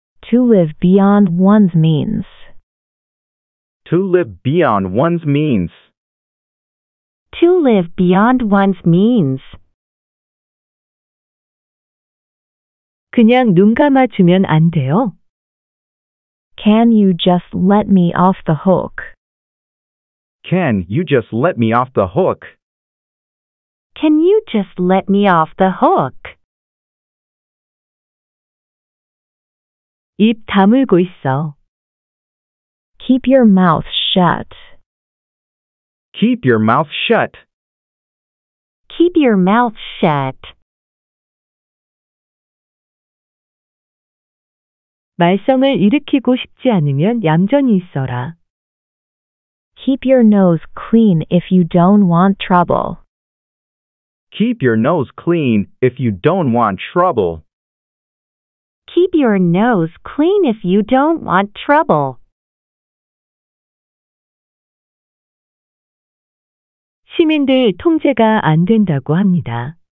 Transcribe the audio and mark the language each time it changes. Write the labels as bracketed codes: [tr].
[en] To live beyond one's means. To live beyond one's means. To live beyond one's means. [ko] 그냥 눈 감아주면 안 돼요? [en] Can you just let me off the hook? Can you just let me off the hook? Can you just let me off the hook? [ko] 입 다물고 있어. [en] Keep your mouth shut. Keep your mouth shut. Keep your mouth shut. [ko] 말썽을 일으키고 싶지 않으면 얌전히 있어라. [en] Keep your nose clean if you don't want trouble. Keep your nose clean if you don't want trouble. Keep your nose clean if you don't want trouble. [ko] 시민들 통제가 안 된다고 합니다.